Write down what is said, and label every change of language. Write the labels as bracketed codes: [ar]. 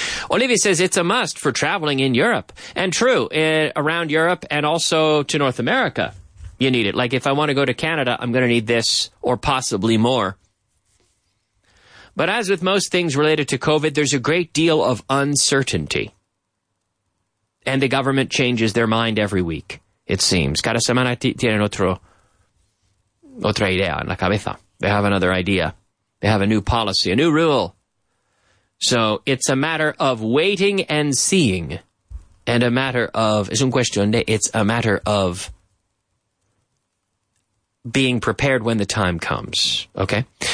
[en] Olivia says it's a must for traveling in Europe. And true, around Europe and also to North America. You need it. Like, if I want to go to Canada, I'm going to need this or possibly more. But as with most things related to COVID, there's a great deal of uncertainty. And the government changes their mind every week, it seems. [es] Cada semana tienen otra idea en la cabeza. [en] They have another idea. They have a new policy, a new rule. So it's a matter of waiting and seeing. And a matter of, [es] es un cuestión de, [en] it's a matter of being prepared when the time comes, okay?